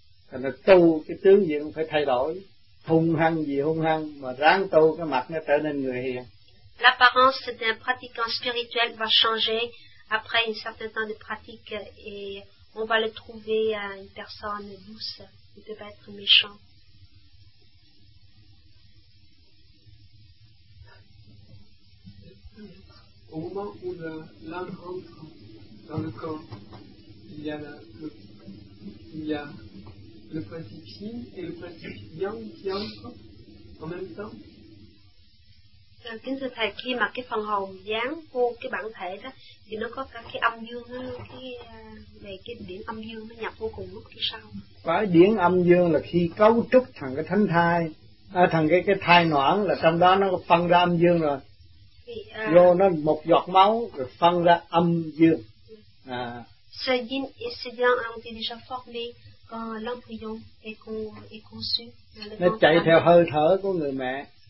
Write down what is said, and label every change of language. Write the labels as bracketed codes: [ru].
[vi] Thành ra tu cái tướng gì cũng phải thay đổi, hung hăng gì hung hăng, mà ráng tu cái mặt nó trở nên người hiền. [fr] L'apparence d'un pratiquant spirituel va changer après un certain temps de pratique et on va le trouver une personne douce, il ne va pas être méchant. Au moment où l'âme entre dans le corps, il y a le principe yin et le principe yang qui entrent en même temps. [vi] Kính thưa thầy, khi mà cái phần hồn dán vô cái bản thể đó, thì nó có cả cái âm dương, cái điển âm dương nó nhập vô cùng lúc cái sau. Phải, điển âm dương là khi cấu trúc thằng cái thánh thai, thằng cái thai noãn là trong đó nó phân ra âm dương rồi. Vô nó một giọt máu rồi phân ra âm dương. [fr] Ce yin et ce yang ont été déjà formés quand l'embryon est conçu. [vi] Nó chạy theo hơi thở của người mẹ.